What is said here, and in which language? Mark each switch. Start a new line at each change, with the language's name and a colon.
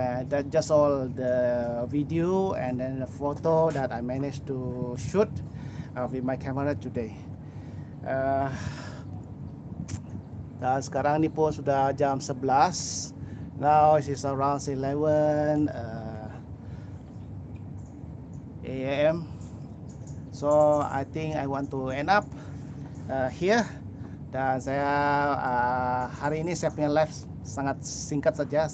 English: That just all the video and then the photo that I managed to shoot with my camera today.
Malay: Nah, sekarang ini pun sudah jam 11.
English: Now it is around 11 a.m. So I think I want to end up here.
Malay: Dan saya hari ini saya punya live sangat singkat saja.